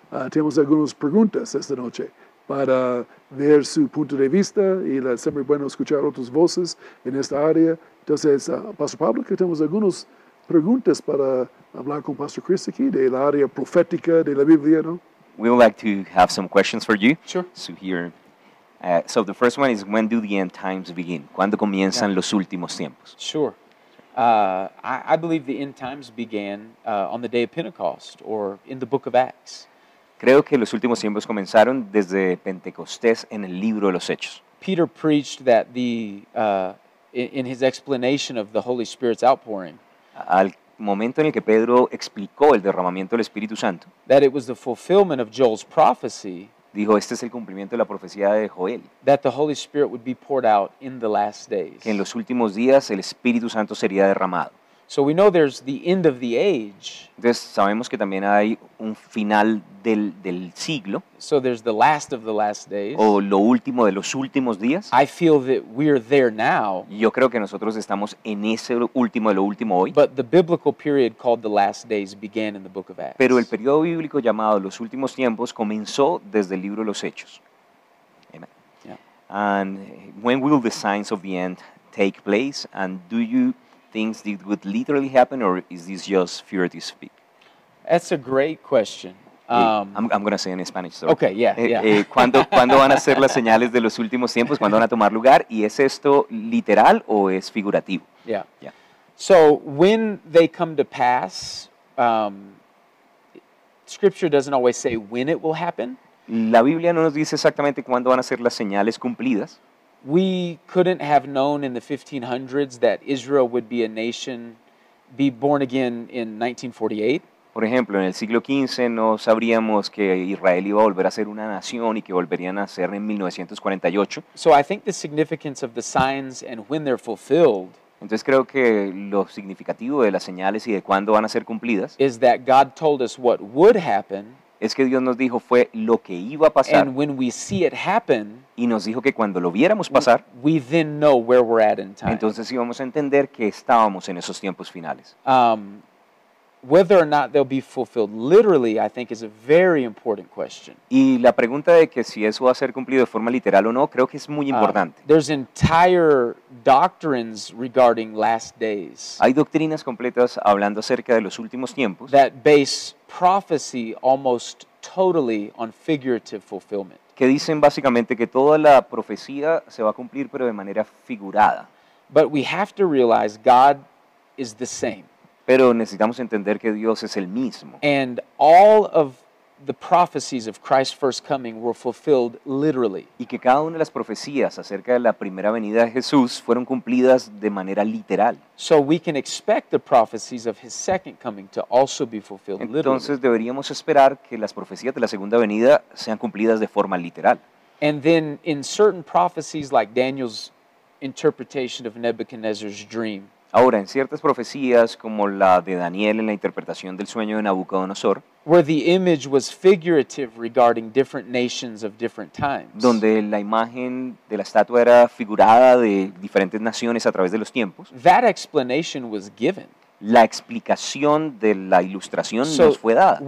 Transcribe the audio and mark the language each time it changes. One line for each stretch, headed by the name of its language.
Spanish: Tenemos algunas preguntas esta noche para ver su punto de vista y siempre bueno escuchar otras voces en esta área. Entonces, Pastor Pablo, que tenemos algunas preguntas para hablar con Pastor Chris aquí de la área profética de la Biblia, ¿no?
English: We would like to have some questions for you. Sure. So here, so the first one is, when do the end times begin?
Spanish: ¿Cuándo comienzan los últimos tiempos?
English: Sure. I believe the end times began on the day of Pentecost or in the book of Acts.
Spanish: Creo que los últimos tiempos comenzaron desde Pentecostés en el libro de los Hechos.
English: Peter preached that in his explanation of the Holy Spirit's outpouring.
Spanish: Al momento en el que Pedro explicó el derramamiento del Espíritu Santo.
English: That it was the fulfillment of Joel's prophecy.
Spanish: dijo, este es el cumplimiento de la profecía de Joel.
English: That the Holy Spirit would be poured out in the last days.
Spanish: Que en los últimos días el Espíritu Santo sería derramado.
English: So we know there's the end of the age.
Spanish: Entonces sabemos que también hay un final del siglo.
English: So there's the last of the last days.
Spanish: O lo último de los últimos días.
English: I feel that we're there now.
Spanish: Yo creo que nosotros estamos en ese último de lo último hoy.
English: But the biblical period called the last days began in the book of Acts.
Spanish: Pero el periodo bíblico llamado los últimos tiempos comenzó desde el libro de los Hechos.
English: Amen. Yeah. And when will the signs of the end take place? And do you things that would literally happen, or is this just figurative speak? That's a great question. I'm going to say in Spanish. Sorry. Okay, yeah, yeah.
Spanish: ¿Cuándo van a ser las señales de los últimos tiempos? ¿Cuándo van a tomar lugar? ¿Y es esto literal o es figurativo?
English: Yeah. So when they come to pass, Scripture doesn't always say when it will happen.
Spanish: La Biblia no nos dice exactamente cuándo van a ser las señales cumplidas.
English: We couldn't have known in the 1500s that Israel would be a nation, be born again in 1948.
Spanish: Por ejemplo, en el siglo XV no sabríamos que Israel iba a volver a ser una nación y que volverían a ser en 1948.
English: So I think the significance of the signs and when they're fulfilled.
Spanish: Entonces creo que lo significativo de las señales y de cuándo van a ser cumplidas.
English: Is that God told us what would happen.
Spanish: Es que Dios nos dijo fue lo que iba a pasar.
English: And when we see it happen,
Spanish: y nos dijo que cuando lo viéramos pasar,
English: we then know where we're at in time.
Spanish: Entonces íbamos a entender que estábamos en esos tiempos finales.
English: Whether or not they'll be fulfilled literally, I think, is a very important question.
Spanish: Y la pregunta de que si eso va a ser cumplido de forma literal o no, creo que es muy importante.
English: There's entire doctrines regarding last days.
Spanish: Hay doctrinas completas hablando acerca de los últimos tiempos.
English: That base prophecy almost totally on figurative fulfillment.
Spanish: Que dicen básicamente que toda la profecía se va a cumplir, pero de manera figurada.
English: But we have to realize God is the same.
Spanish: Pero necesitamos entender que Dios es el mismo.
English: And all of the prophecies of Christ's first coming were fulfilled literally.
Spanish: Y que cada una de las profecías acerca de la primera venida de Jesús fueron cumplidas de manera literal.
English: So we can expect the prophecies of his second coming to also be fulfilled literally.
Spanish: Entonces deberíamos esperar que las profecías de la segunda venida sean cumplidas de forma literal.
English: And then in certain prophecies like Daniel's interpretation of Nebuchadnezzar's dream.
Spanish: Ahora, en ciertas profecías, como la de Daniel en la interpretación del sueño de Nabucodonosor,
English: where the image was figurative regarding different nations of different times,
Spanish: donde la imagen de la estatua era figurada de diferentes naciones a través de los tiempos,
English: that explanation was given.
Spanish: La explicación de la ilustración nos fue dada.